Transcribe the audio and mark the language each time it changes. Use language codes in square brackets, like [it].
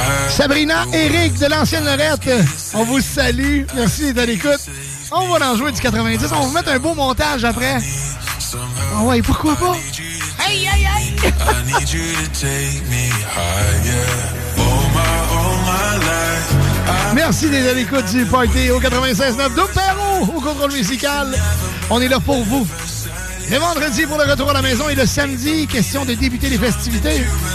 [fr] Sabrina, Eric de l'ancienne Lorette, on vous salue. Merci d'être à l'écoute. On va en jouer du 90. On va vous mettre un beau montage après. Ah ouais, pourquoi pas? [en] Hey, hey, hey! I need you to take me higher. All my life. [fr] Merci d'être à l'écoute du party au 96.9 de Perro au contrôle musical. On est là pour vous. Le vendredi pour le retour à la maison et le samedi, question de débuter les festivités.